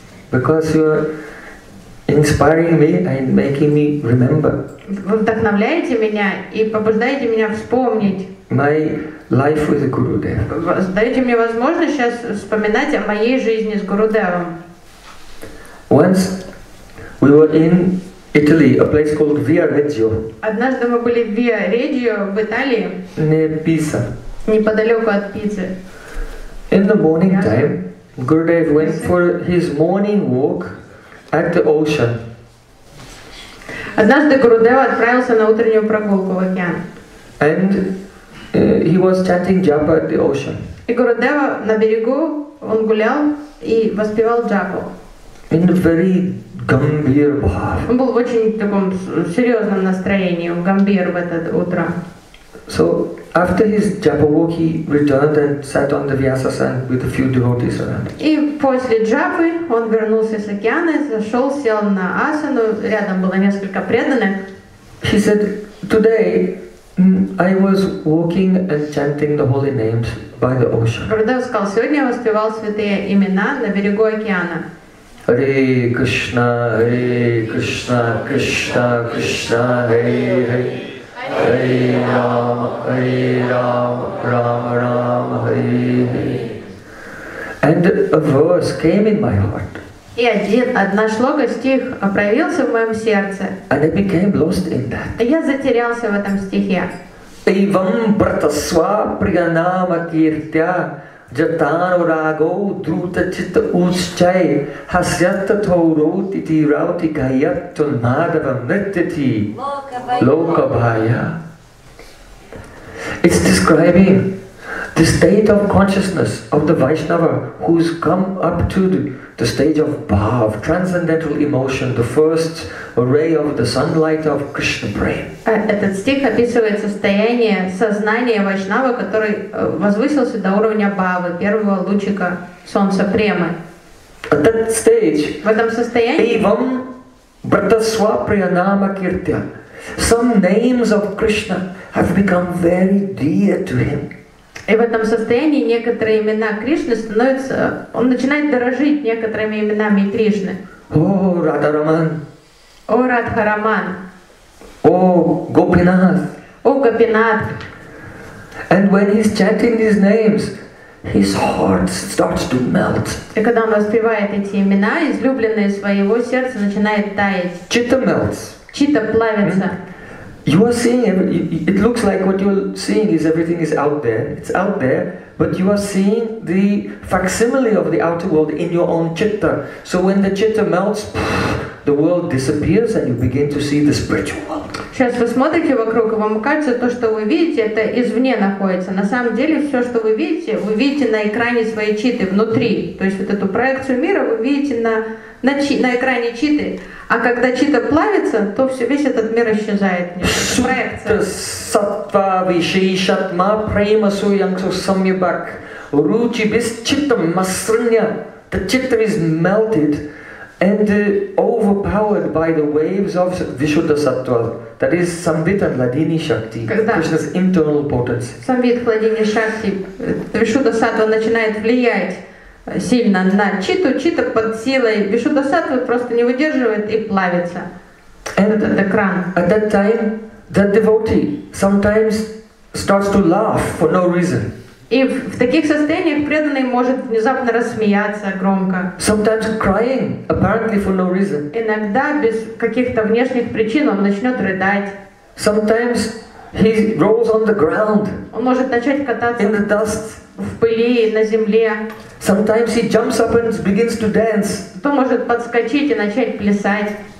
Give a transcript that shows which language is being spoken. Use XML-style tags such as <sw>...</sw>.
<en>Because you are inspiring me and making me remember.</en> <ru>Вы вдохновляете меня и побуждаете меня вспомнить.</ru> <en>My life with Gurudev.</en> <ru>Даете мне возможность сейчас вспоминать о моей жизни с Гурудевом.</ru> <en>Once we were in Italy, a place called Via Reggio.</en> <ru>Однажды мы были в Via Reggio в Италии.</ru> <en>Near Pisa.</en> <ru>Неподалеку от Пизы.</ru> <en>In the morning time, Gurudev went for his morning walk. At the ocean.</en> <ru>Однажды Гурудева отправился на утреннюю прогулку в океан.</ru> <en>And he was chanting japa at the ocean.</en> <ru>И Гурудева на берегу он гулял и воспевал джапу.</ru> <en>In a very gambhir bhav.</en> <ru>Он был в очень таком серьезном настроении, в гамбир в это утро.</ru> <en>So after his japa walk, he returned and sat on the Vyasasan with a few devotees around.</en> <ru>И после джапы он вернулся с океана, зашел, сел на асану, рядом было несколько преданных.</ru> <en>He said, today I was walking and chanting the holy names by the ocean.</en> <ru>Гурудев сказал, сегодня я воспевал святые имена на берегу океана.</ru> <sa>Hare Krishna, Hare Krishna, Krishna Krishna, Hare Hare. Hare Ram, Hare Ram, Ram Ram, Hare Hare.</sa> <en>And a verse came in my heart.</en> <ru>И одна шлога, стих, проявился в моем сердце.</ru> <en>And I became lost in that.</en> <ru>Я затерялся в этом стихе.</ru> <sa>Ivam bratasva priyanama kirtya jatanu rago druta chitta uschai hasyatta thauro titi rauti gayatto madhava mrityati lokabhaya.</sa> <en>It's describing the state of consciousness of the Vaishnava who's come up to the stage of bhav, transcendental emotion, the first ray of the sunlight of Krishna prema.</en> <ru>Этот стих описывает состояние сознания Вайшнава, который возвысился до уровня бхавы, первого лучика солнца премы.</ru> <en>At that stage,</en> <ru>в этом состоянии,</ru> <sa>evam bratasva priyanama kirtya,</sa> <en>some names of Krishna have become very dear to him.</en> <ru>И в этом состоянии некоторые имена Кришны становятся, он начинает дорожить некоторыми именами Кришны. О, Радхараман. О, Радхараман. О, Гопинат. О, Гопинат.</ru> <en>And when he's chanting these names, his heart starts to melt.</en> <ru>И когда он воспевает эти имена, излюбленное своего сердца начинает таять.</ru> <en>Чита melts.</en> <ru>Чита плавится. Mm-hmm.</ru> <en>You are seeing, it looks like what you're seeing is everything is out there. It's out there, but you are seeing the facsimile of the outer world in your own chitta. So when the chitta melts, the world disappears and you begin to see the spiritual world.</en> <ru>Сейчас вы смотрите вокруг, и вам кажется, то, что вы видите, это извне находится. На самом деле, все, что вы видите на экране своей читы внутри. То есть вот эту проекцию мира вы видите на экране читы. А когда чита плавится, то все, весь этот мир исчезает.</ru> <sa>Сатва вишишатма према суянцу самибак ручи без читам масрня.</sa> <en>The chitta is melted and overpowered by the waves of Vishuddha Sattva. That is Samvita Ladini Shakti, Krishna's internal potency.</en> <ru>Samvita Ladini Shakti, Vishuddha Sattva начинает влиять сильно на читу, чита под силой Вишуддха Саттвы просто не выдерживает и плавится. Этот экран.</ru> <en>At that time, the devotee sometimes starts to laugh for no reason.</en> <ru>И в таких состояниях преданный может внезапно рассмеяться громко.</ru> <en>Sometimes crying, apparently for no reason.</en> <ru>Иногда без каких-то внешних причин он начнет рыдать.</ru> <en>Sometimes he rolls on the ground.</en> <ru>Он может начать кататься</ru> <en>in the dust.</en> <ru>В пыли на земле.</ru> <en>Sometimes he jumps up and begins to dance.</en> <ru>Кто может подскочить и начать плясать?</ru>